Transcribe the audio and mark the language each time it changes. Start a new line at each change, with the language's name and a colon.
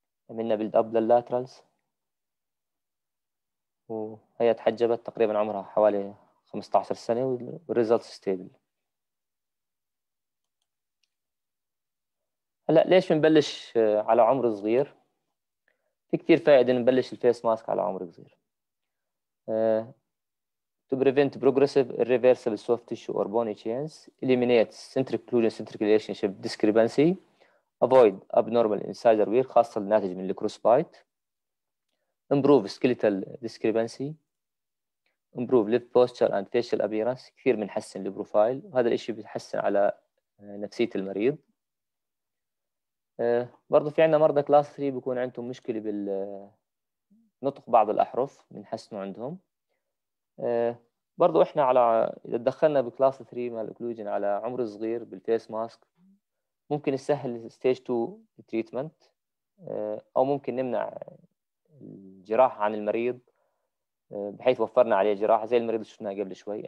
Arabic: عملنا بيلد اب لللاترالز وهي تحجبت تقريبا عمرها حوالي 15 سنة والريزلت ستيبل. هلا ليش بنبلش على عمر صغير؟ في كثير فائدة نبلش الفيس ماسك على عمر صغير.
English: To prevent progressive irreversible soft tissue or bony change, eliminate centric occlusion centric relationship discrepancy, avoid abnormal incisor wear
Arabic: خاصة الناتج من الكروس بايت,
English: improve skeletal discrepancy, improve lip posture and facial appearance
Arabic: كثير بنحسن البروفايل وهذا الشيء بيتحسن على نفسية المريض. برضو في عندنا مرضى كلاس 3 بيكون عندهم مشكلة بالنطق بعض الأحرف بنحسنه عندهم. برضو احنا على اذا دخلنا بكلاس 3 مال اوكلوجن على عمر صغير بالفيس ماسك ممكن نسهل ستيج 2 تريتمنت او ممكن نمنع الجراحة عن المريض بحيث وفرنا عليه جراحة زي المريض اللي شفناه قبل شوي.